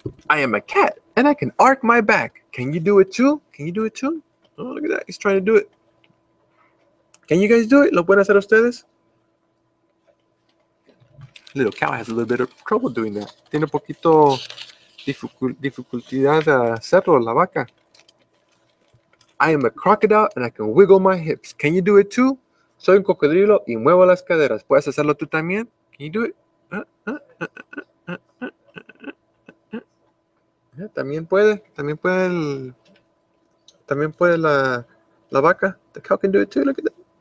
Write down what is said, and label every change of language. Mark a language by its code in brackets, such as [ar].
[en] I am a cat and I can arc my back. Can you do it too? Can you do it too? Oh, look at that. He's trying to do it. Can you guys do it? [es] ¿Lo pueden hacer ustedes? [en] Little cow has a little bit of trouble doing that. [es] Tiene un poquito dificultad de hacerlo, la vaca. [en] I am a crocodile and I can wiggle my hips. Can you do it too? [es] Soy un cocodrilo y muevo las caderas. ¿Puedes hacerlo tú también? [en] Can you do it? [es] También puede la vaca. [en] The cow can do it too. Look at that.